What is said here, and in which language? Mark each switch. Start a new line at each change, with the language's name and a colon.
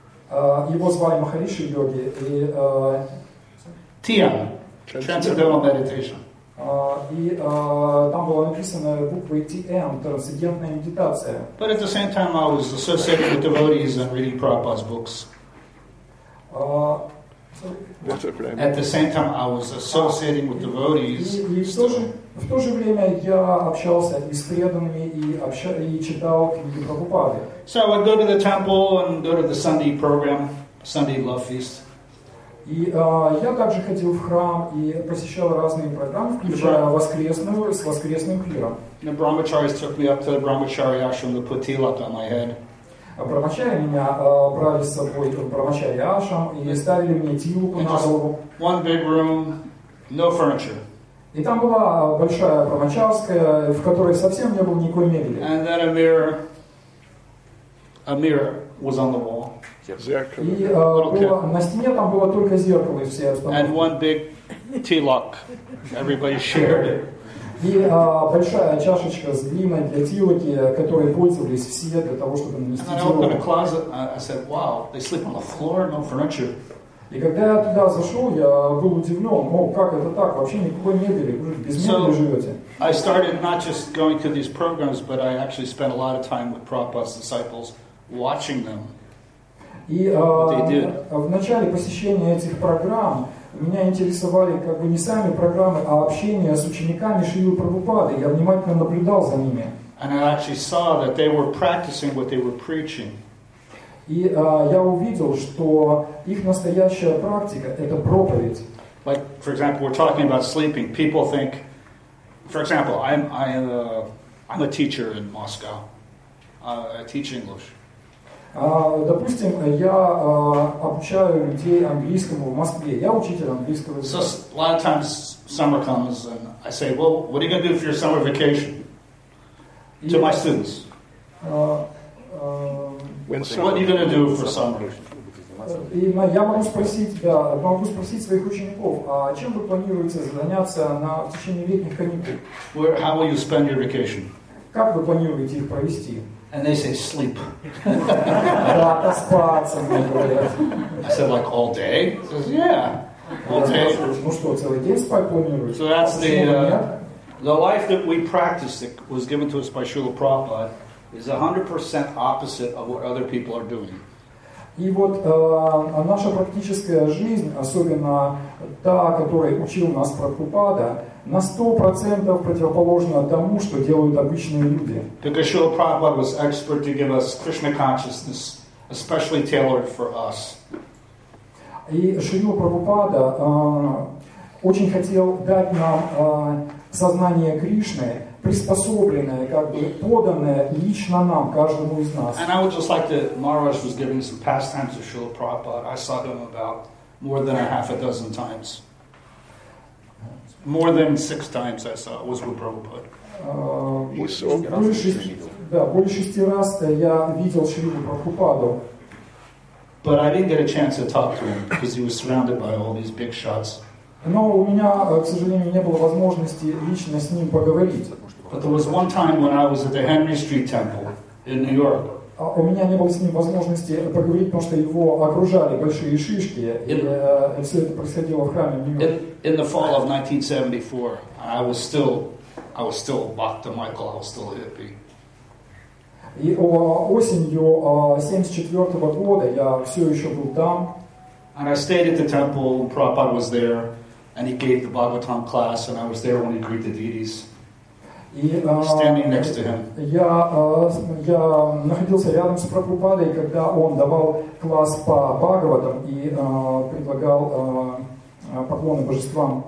Russian: Его звали Махариши Йоги и
English: TM, Transcendental Meditation.
Russian: Там было написано буквой TM, трансцендентная медитация.
English: But at the same time, I was associated with devotees and reading Prabhupada's books. At the same time, I was associating with devotees.
Russian: В то же время я общался и с преданными, и читал книги Прабхупады.
English: So I would go to the temple and go to the Sunday program, Sunday love feast.
Russian: И я также ходил в храм и посещал разные программы, включая воскресную, с воскресным клиром.
English: The brahmacharis took me up to the brahmachari ashram to put tilak on my head.
Russian: Брахмачари меня брали с собой в брахмачари ашрам и ставили мне тилаку на голову.
English: One big room, no furniture.
Russian: И там была большая брахмачарская, в которой совсем не было никакой мебели.
English: And then a mirror was on the wall.
Russian: зеркало.
English: And one big tilak. Everybody shared it.
Russian: И большая чашечка с глиной для тилоки, которой пользовались все для того, чтобы нанести тилоку.
English: And I opened a closet, I said, wow, they sleep on the floor, no furniture.
Russian: И когда я туда зашел, я был удивлен, о, как это так, вообще никакой мебели, вы без мебели живете.
English: I started not just going to these programs, but I actually spent a lot of time with Prabhupada's disciples, watching them, what they did.
Russian: В начале посещения этих программ, меня интересовали как бы не сами программы, а общение с учениками Шрилы Прабхупады. Я внимательно наблюдал за ними.
English: And I actually saw that they were practicing what they were preaching.
Russian: И я увидел, что их настоящая практика — это проповедь.
English: Like, for example, we're talking about sleeping. People think, for example, I'm a teacher in Moscow. I teach English.
Russian: Допустим, я обучаю людей английскому в Москве. Я учитель английского языка.
English: So a lot of times summer comes and I say, well, what are you going to do for your summer vacation to my students? What are you going to do for summer?
Russian: Я могу спросить тебя, могу спросить своих учеников, а чем вы планируете заняться на в течение летних каникул?
English: Where, how will you spend your vacation?
Russian: Как вы планируете их провести?
English: And they say sleep.
Russian: Да, спать, они говорят.
English: I said like all day. He says yeah, all day.
Russian: Ну что, целый день спать планируете?
English: So that's the life that we practiced that was given to us by Srila Prabhupada is 100% opposite of what other people are doing.
Russian: И вот наша практическая жизнь, особенно та, которой учил нас Прабхупада, на 100% противоположна тому, что делают обычные люди.
English: Because Srila Prabhupada was expert to give us Krishna consciousness, especially tailored for us.
Russian: И Шрила Прабхупада очень хотел дать нам сознание Кришны, приспособленное, как бы поданное лично нам, каждому из нас.
English: And I would just like that Maharaj was giving some pastimes to Srila Prabhupada. I saw him about more than a half a dozen times. More than six times I saw was with Prabhupada.
Russian: Больше шести раз я видел Шрилу Прабхупаду.
English: But I didn't get a chance to talk to him because he was surrounded by all these big shots.
Russian: Но у меня, к сожалению, не было возможности лично с ним поговорить.
English: But there was one time when I was at the Henry Street Temple in New York.
Russian: У меня не было с ним возможности поговорить, потому что его окружали большие шишки, и все это происходило в храме в Нью-Йорке.
English: In the fall of 1974, I was still Bhakta Michael, I was still a hippie.
Russian: И осенью 1974 года я все еще был там.
English: And I stayed at the temple, Prabhupada was there, and he gave the Bhagavatam class, and I was there when he greeted the deities. Standing next to him.
Russian: Я находился рядом с Прабхупадой, когда он давал класс по Бхагаватам и предлагал поклоны божествам.